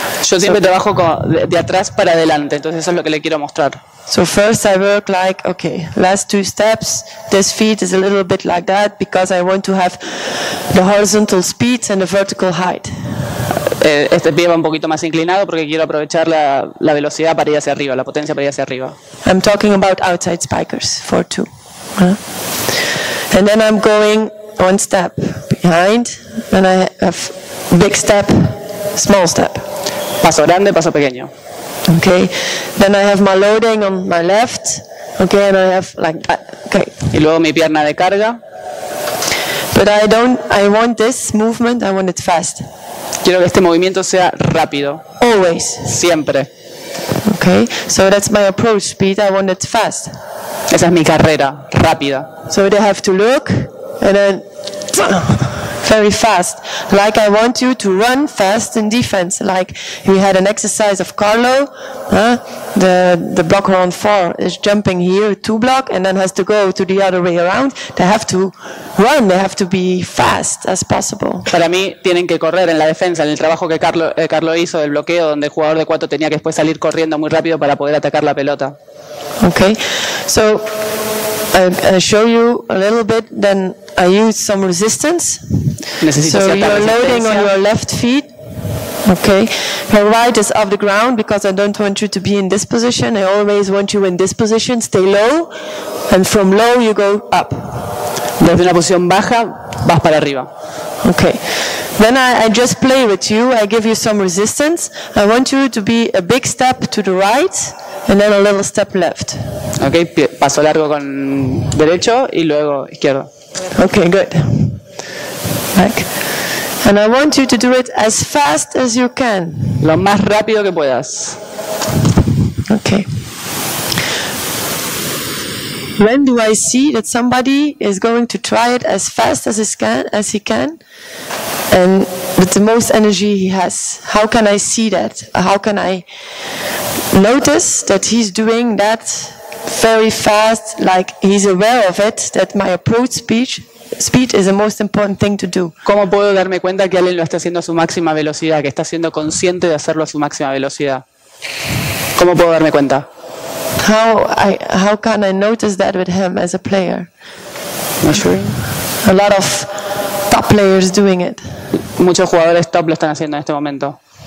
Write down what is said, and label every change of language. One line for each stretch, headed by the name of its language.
Spanish: Yo siempre trabajo de atrás para adelante, entonces eso es lo que le quiero mostrar.
English: So first I work like, okay, last two steps, this feet is a little bit like that because I want to have the horizontal speed and the vertical height.
Spanish: Este pie va un poquito más inclinado porque quiero aprovechar la velocidad para ir hacia arriba, la potencia para ir hacia arriba.
English: I'm talking about outside spikers for two. And then I'm going one step behind, and I have big step, small step.
Spanish: Paso grande, paso pequeño.
English: Okay, then I have my loading on my left. Okay, and I have like that. Okay.
Spanish: Y luego mi pierna de carga.
English: But I want this movement, I want it fast.
Spanish: Quiero que este movimiento sea rápido.
English: Always.
Spanish: Siempre.
English: Okay. So that's my approach, speed, I want it fast.
Spanish: Esa es mi carrera, rápida.
English: So they have to look and then very fast, like I want you to run fast in defense. Like we had an exercise of Carlo, the blocker on four is jumping here two block and then has to go to the other way around. They have to run, they have to be fast as possible.
Spanish: Para mí tienen que correr en la defensa, en el trabajo que Carlo hizo del bloqueo, donde el jugador de cuatro tenía que después salir corriendo muy rápido para poder atacar la pelota.
English: Okay, so I show you a little bit, then I use some resistance.
Spanish: Necesito
English: so you're loading on your left feet. Okay. Your right is off the ground because I don't want you to be in this position. I always want you in this position. Stay low. And from low you go up.
Spanish: Desde una posición baja, vas para arriba.
English: Okay. Then I just play with you. I give you some resistance. I want you to be a big step to the right and then a little step left.
Spanish: Okay, paso largo con derecho y luego izquierdo.
English: Okay, good. Back. And I want you to do it as fast as you can.
Spanish: Lo más rápido que puedas.
English: Okay. When do I see that somebody is going to try it as fast as he can and with the most energy he has? How can I see that? How can I notice that he's doing that very fast, like he's aware of it, that my approach speed is the most important thing to do?
Spanish: ¿Cómo puedo darme cuenta que alguien lo está haciendo a su máxima velocidad, que está siendo consciente de hacerlo a su máxima velocidad? ¿Cómo puedo darme cuenta?
English: How can I notice that with him as a player? A lot of top players doing it.
Spanish: Muchos jugadores top lo están haciendo en este momento.